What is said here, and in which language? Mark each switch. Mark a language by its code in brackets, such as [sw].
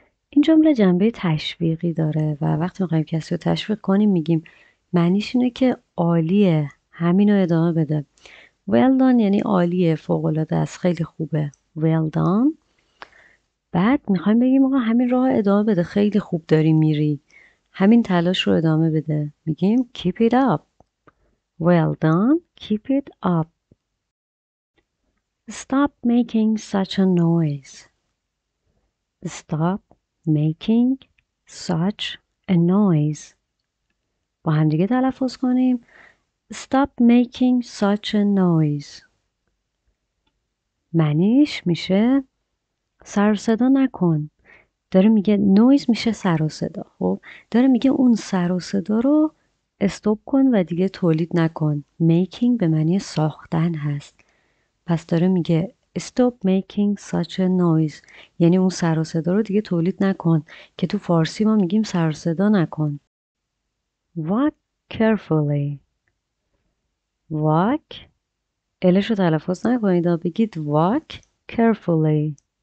[fa] این جمله جنبه تشویقی داره و وقتی میخوایم کسی رو تشویق کنیم میگیم معنیش اینه که عالیه، همین رو ادامه بده. [en] Well done [fa] یعنی عالیه، فوق‌العاده است، خیلی خوبه. [en] Well done. [fa] بعد میخوایم بگیم آقا همین راه ادامه بده، خیلی خوب داری میری، همین تلاش رو ادامه بده، میگیم [en] Keep it up. Well done, keep it up. Stop making such a noise. Stop making such a noise. [fa] با هم دیگه تلفظ کنیم. [en] Stop making such a noise. [fa] معنیش میشه سر و صدا نکن. داره میگه noise میشه سر و صدا. خب داره میگه اون سر و صدا رو استوب کن و دیگه تولید نکن. Making به معنی ساختن هست. پس داره میگه [en] Stop making such a noise. [fa] یعنی اون سر و صدا رو دیگه تولید نکن، که تو فارسی ما میگیم سر و صدا نکن. [en] Walk carefully. Walk. [fa] الشو تلفظ نکنید، بگید [en] walk carefully.